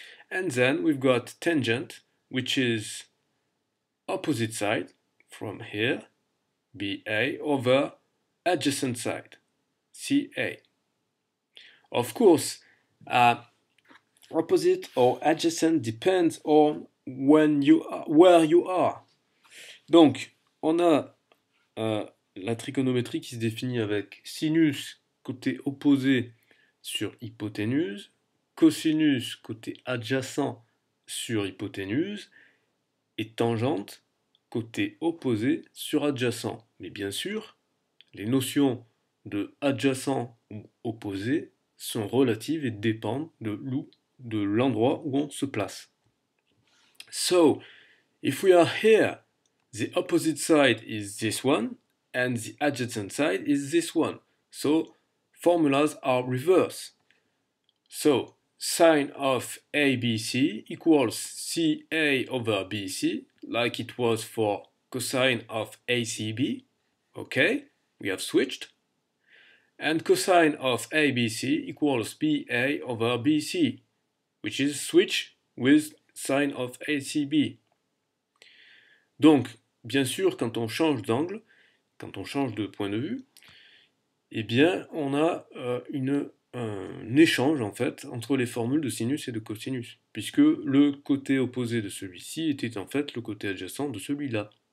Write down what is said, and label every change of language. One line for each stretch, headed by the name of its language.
English: And then we've got tangent, which is opposite side from here, BA, over adjacent side, CA. Of course, opposite or adjacent depends on when you are, where you are.
French: Donc, on a la trigonométrie qui se définit avec sinus, côté opposé, sur hypoténuse, cosinus, côté adjacent, sur hypoténuse, et tangente, côté opposé, sur adjacent. Mais bien sûr, les notions de adjacent ou opposé sont relatives et dépendent de l'endroit où on se place.
English: So, if we are here, the opposite side is this one, and the adjacent side is this one. So, formulas are reverse. So, sine of ABC equals CA over BC, like it was for cosine of ACB. Okay, we have switched. And cosine of ABC equals BA over BC, which is switch with sine of ACB.
French: Donc, bien sûr, quand on change d'angle, quand on change de point de vue, eh bien, on a un échange, en fait, entre les formules de sinus et de cosinus, puisque le côté opposé de celui-ci était, en fait, le côté adjacent de celui-là.